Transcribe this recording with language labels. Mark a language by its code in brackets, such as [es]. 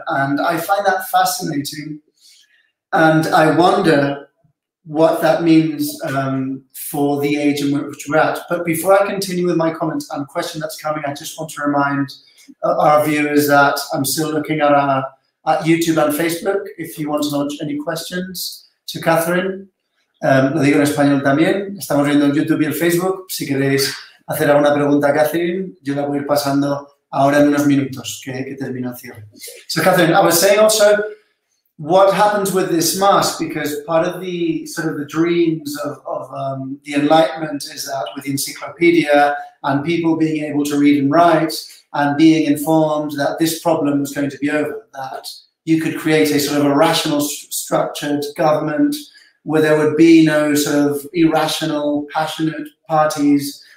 [en] And I find that fascinating. And I wonder what that means for the age in which we're at. But before I continue with my comments and question that's coming, I just want to remind our viewers that I'm still looking at our at YouTube and Facebook, if you want to launch any questions to Catherine. [es] Lo digo en español también. Estamos viendo en YouTube y en Facebook. Si queréis hacer alguna pregunta a Catherine, yo la voy a ir pasando ahora en unos minutos, que termino el cierre. [en] So, Catherine, I was saying also, what happens with this mask? Because part of the sort of the dreams of the Enlightenment is that with the encyclopedia and people being able to read and write, and being informed that this problem was going to be over, that you could create a sort of a rational, structured government where there would be no sort of irrational, passionate parties